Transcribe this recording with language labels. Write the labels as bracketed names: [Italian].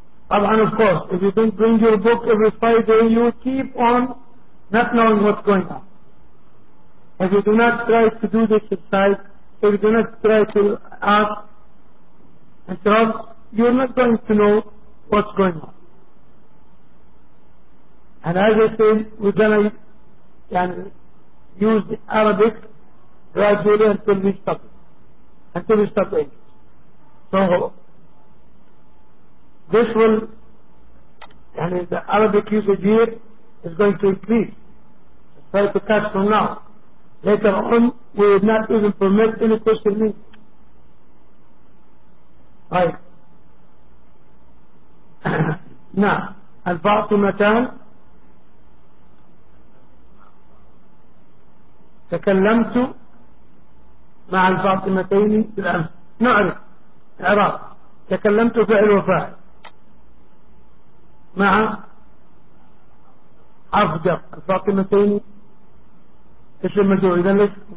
[Arabic] طبعا [English] of course if you don't bring your book every Friday you keep on not knowing what's going on if you do not try to do this inside if you do not try to ask And so you're not going to know what's going on. And as I said, we're going to use the Arabic gradually until we stop it. Until we stop English. So this will, the Arabic usage here is going to increase. Try to catch from now. Later on, we will not even permit any question in English. [Arabic] طيب نعم الفاطمتان تكلمت مع الفاطمتين بالأمس نعرف إعراب تكلمت فعل وفاعل مع أفجر الفاطمتين اسم مجرور إذن ليس